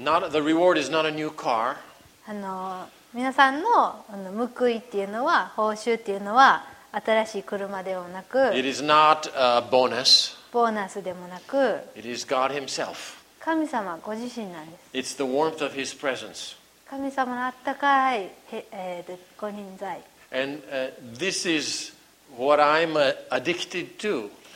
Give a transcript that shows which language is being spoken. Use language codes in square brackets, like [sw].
[en] Not the reward is not a new car. [ja] 皆さんの報いっていうのは報酬っていうのは新しい車ではなく、 [en] It is not a bonus. [ja] ボーナスでもなく、 [en] It is God himself. [ja] 神様ご自身なんです。 [en] It's the warmth of his presence. [ja] 神様のあったかい、ご臨在。 [en] And, this is what I'm addicted to.